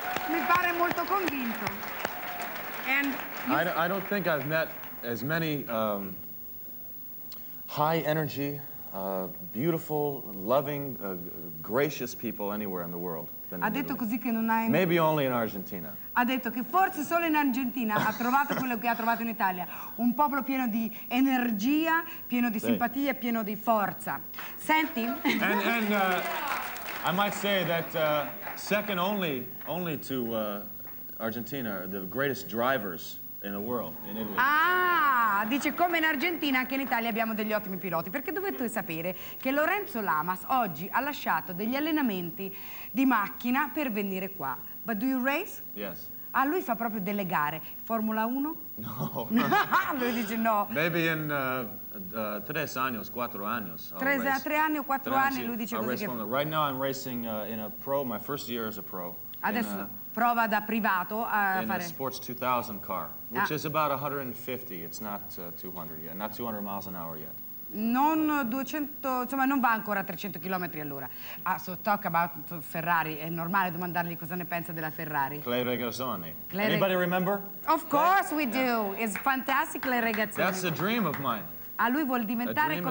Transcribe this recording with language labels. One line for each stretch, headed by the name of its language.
Italian: Mi pare molto convinto.
English: And. I don't think I've met as many high energy, beautiful, loving, gracious people anywhere in the world.
Italian: Ha detto così che non hai.
English: Maybe only in Argentina.
Italian: Ha detto che forse solo in Argentina ha trovato quello che ha trovato in Italia, un popolo pieno di energia, pieno di simpatia, pieno di forza. Senti.
English: And I might say that second only to Argentina, the greatest drivers in the world in Italy.
Italian: Dice come in Argentina anche in Italia abbiamo degli ottimi piloti, perché dovete sapere che Lorenzo Lamas oggi ha lasciato degli allenamenti di macchina per venire qua.
English: But do you race? Yes.
Italian: Ah, lui fa proprio delle gare, Formula 1?
English: No.
Italian: Lui dice no.
English: Maybe in
Spanish: tres años, cuatro años.
Italian: Tre anni o quattro anni, lui dice così che.
English: Right now I'm racing in a pro, my first year as a pro.
Italian: Adesso prova da privato a in fare.
English: In a Sports 2000 car, which is about 150, it's not 200 yet, not 200 miles an hour yet.
Italian: Non 200, insomma non va ancora a 300 km all'ora.
English: Ah, so talk about Ferrari,
Italian: è normale domandargli cosa ne pensa della Ferrari.
English: Clay Regazzoni. Anybody remember? Of course Clay? We do, yeah. It's fantastic Clay Regazzoni. That's a dream of mine.
Italian: Ah, lui vuol diventare come.